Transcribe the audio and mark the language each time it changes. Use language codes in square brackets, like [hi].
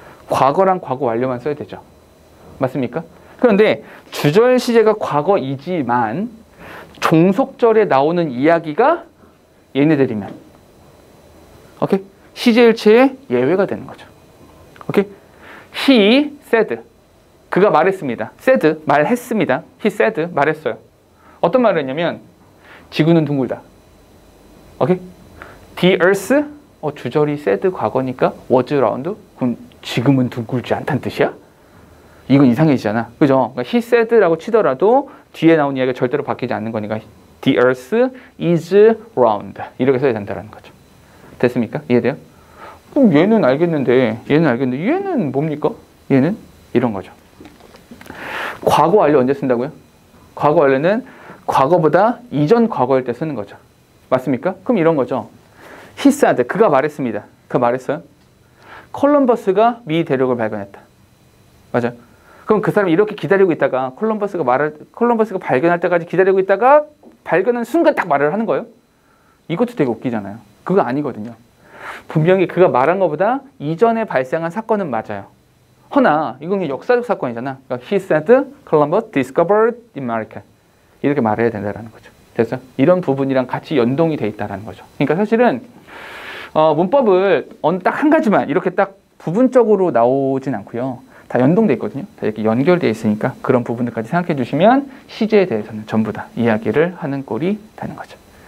[ko] 과거랑 과거 완료만 써야 되죠. 맞습니까? 그런데 주절 시제가 과거이지만 종속절에 나오는 이야기가 얘네들이면 오케이? 시제일체의 예외가 되는 거죠. 오케이? [en] He said. [ko] 그가 말했습니다. said. 말했습니다. He said. 말했어요. 어떤 말을 했냐면 지구는 둥글다. [en] 오케이? The earth. [ko] 주절이 said 과거니까 was round. 그럼 지금은 둥글지 않다는 뜻이야? 이건 이상해지잖아. 그죠? 그러니까 [en] he said [ko] 라고 치더라도 뒤에 나온 이야기가 절대로 바뀌지 않는 거니까 [en] the earth is round. [ko] 이렇게 써야 된다는 거죠. 됐습니까? 이해돼요? 그럼 얘는 알겠는데 얘는 뭡니까? 얘는 이런 거죠. 과거 완료 언제 쓴다고요? 과거 완료는 과거보다 이전 과거일 때 쓰는 거죠. 맞습니까? 그럼 이런 거죠. [en] He said. [ko] 그가 말했습니다. 그가 말했어요. 콜럼버스가 미 대륙을 발견했다. 맞아요. 그럼 그 사람이 이렇게 기다리고 있다가 콜럼버스가 발견할 때까지 기다리고 있다가 발견한 순간 딱 말을 하는 거예요. 이것도 되게 웃기잖아요. 그거 아니거든요. 분명히 그가 말한 것보다 이전에 발생한 사건은 맞아요. 허나 이건 역사적 사건이잖아. [en] 그러니까 He said Columbus discovered America. [ko] 이렇게 말해야 된다라는 거죠. 됐어? 이런 부분이랑 같이 연동이 돼 있다라는 거죠. 그러니까 사실은 문법을 딱 한 가지만 이렇게 딱 부분적으로 나오진 않고요. 다 연동돼 있거든요. 다 이렇게 연결돼 있으니까 그런 부분들까지 생각해 주시면 시제에 대해서는 전부 다 이야기를 하는 꼴이 되는 거죠.